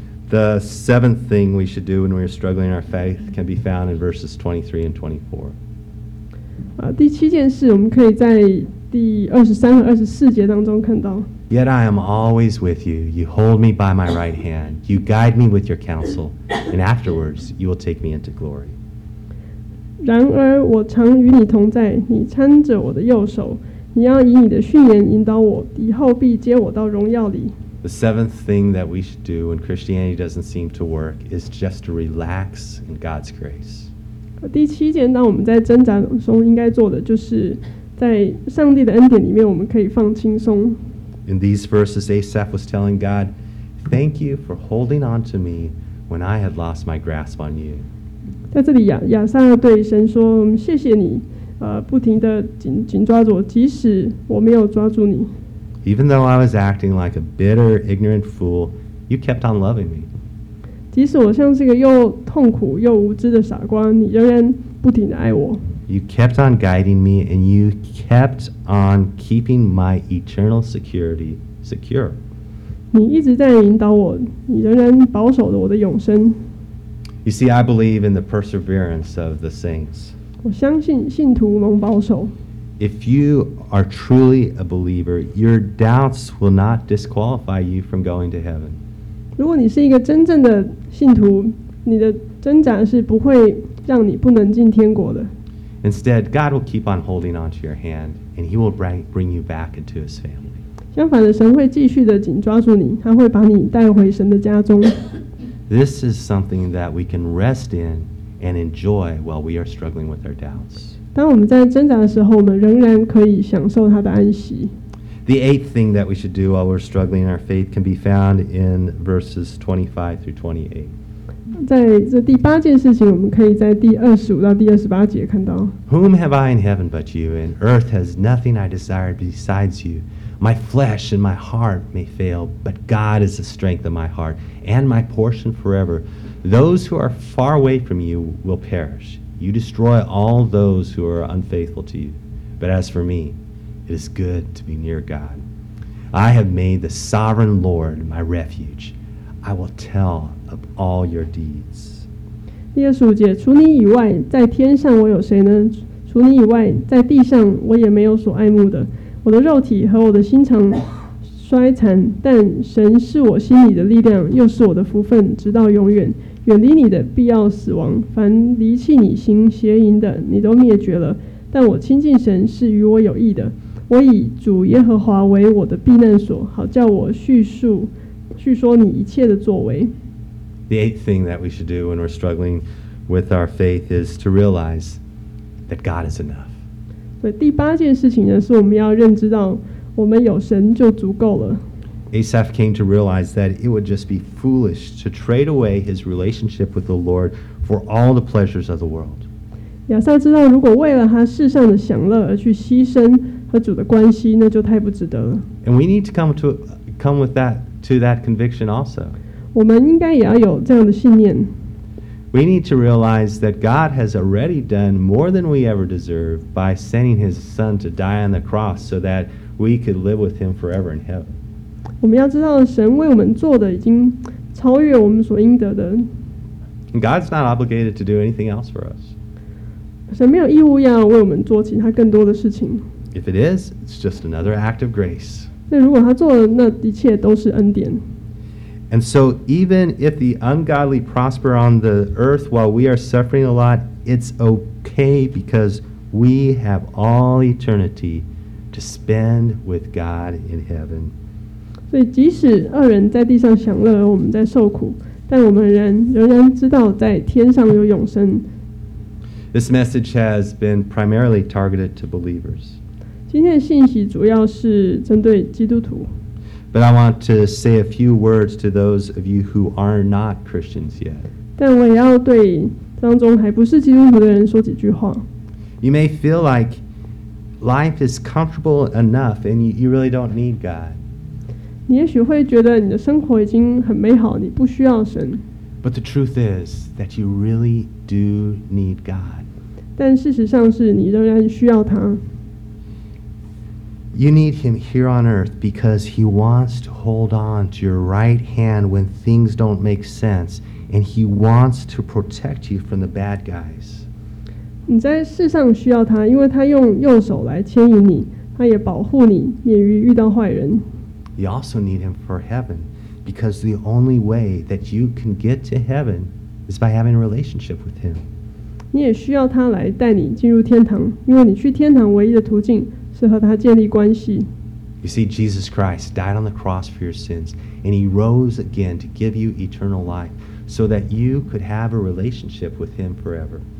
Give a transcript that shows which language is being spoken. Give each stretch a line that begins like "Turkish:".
English: The seventh thing we should do when we are struggling in our faith can be found in verses 23 and 24.
Chinese: 第七件事我们可以在第二十三和二十四节当中看到。
English: Yet I am always with you. You hold me by my right hand. You guide me with your counsel, and afterwards you will take me into glory.
Chinese: 然而我常与你同在，你搀着我的右手，你要以你的训言引导我，以后必接我到荣耀里。
English: The seventh thing that we should do when Christianity doesn't seem to work is just to relax in God's grace.
Chinese: 第七件，当我们在挣扎中应该做的，就是在上帝的恩典里面，我们可以放轻松。
English: In these verses, Asaph was telling God, "Thank you for holding on to me when I had lost my grasp on you."
Chinese: 在这里亚撒对神说谢谢你不停地紧抓着我即使我没有抓住你。
English: Even though I was acting like a bitter, ignorant fool, you kept on loving me.
Chinese: 即使我像是一个又痛苦又无知的傻瓜你仍然不停地爱我。
English: You kept on guiding me, and you kept on keeping my eternal security secure.
Chinese: 你一直在引导我，你仍然保守着我的永生。
English: You see, I believe in the perseverance of the saints.
Chinese: 我相信信徒蒙保守。
English: If you are truly a believer, your doubts will not disqualify you from going to heaven.
Chinese: 如果你是一个真正的信徒，你的挣扎是不会让你不能进天国的。
English: Instead, God will keep on holding onto your hand, and He will bring you back into His family.
Chinese: 相反的，神会继续的紧抓住你，他会把你带回神的家中。
English: This is something that we can rest in and enjoy while we are struggling with our doubts.
Chinese: 当我们在挣扎的时候，我们仍然可以享受他的安息。
English: The eighth thing that we should do while we're struggling in our faith can be found in verses 25 through 28.
Chinese: 在这第八件事情，我们可以在第二十五到第二十八节看到。
English: Whom have I in heaven but you, and earth has nothing I desire besides you. My flesh and my heart may fail, but God is the strength of my heart and my portion forever. Those who are far away from you will perish. You destroy all those who are unfaithful to you. But as for me, it is good to be near God. I have made the sovereign Lord my refuge. I will tell of all your deeds.
Chinese: 第二十五节，除你以外，在天上我有谁呢？除你以外，在地上我也没有所爱慕的。我的肉体和我的心肠衰残，但神是我心里的力量，又是我的福分，直到永远。远离你的必要死亡，凡离弃你行邪淫的，你都灭绝了。但我亲近神是与我有益的，我以主耶和华为我的避难所，好叫我叙述你一切的作为。
English: The eighth thing that we should do when we're struggling with our faith is to realize that God is enough.
Chinese: 所以第八件事情呢，是我们要认知到我们有神就足够了。
English: Asaph came to realize that it would just be foolish to trade away his relationship with the Lord for all the pleasures of the world.
Chinese: 亚撒知道，如果为了他世上的享乐而去牺牲和主的关系，那就太不值得了。
English: And we need to come with that. To that conviction also.
Chinese: 我们应该也要有这样的信念。
English: We need to realize that God has already done more than we ever deserve by sending His Son to die on the cross so that we could live with Him forever in heaven.
Chinese: 我们要知道神为我们做的已经超越我们所应得的。
English: God's not obligated to do anything else for us.
Chinese: 神没有义务要为我们做其他更多的事情。
English: If it is, it's just another act of grace.
Chinese: 那如果他做的那一切都是恩典。
English: And so even if the ungodly prosper on the earth while we are suffering a lot, it's okay because we have all eternity to spend with God in heaven.
Chinese: 所以即使恶人在地上享乐，我们在受苦，但我们仍然知道在天上有永生。
English: This message has been primarily targeted to believers.
Chinese: 今天的信息主要是针对基督徒。
English: But I want to say a few words to those of you who are not Christians yet.
Chinese: 但我也要对当中还不是基督徒的人说几句话。
English: You may feel like life is comfortable enough and you really don't need God.
Chinese: 你也许会觉得你的生活已经很美好，你不需要神。
English: But the truth is that you really do need God.
Chinese: 但事实上是你仍然需要他。
English: You need him here on earth because he wants to hold on to your right hand when things don't make sense, and he wants to protect you from the bad guys.
Chinese: 你在世上需要他，因为他用右手来牵引你，他也保护你免于遇到坏人。
English: You also need him for heaven because the only way that you can get to heaven is by having a relationship with him.
Chinese: 你也需要他来带你进入天堂，因为你去天堂唯一的途径。
English: You see, Jesus Christ died on the cross for your sins, and he rose again to give you eternal life so that you could have a relationship with him forever.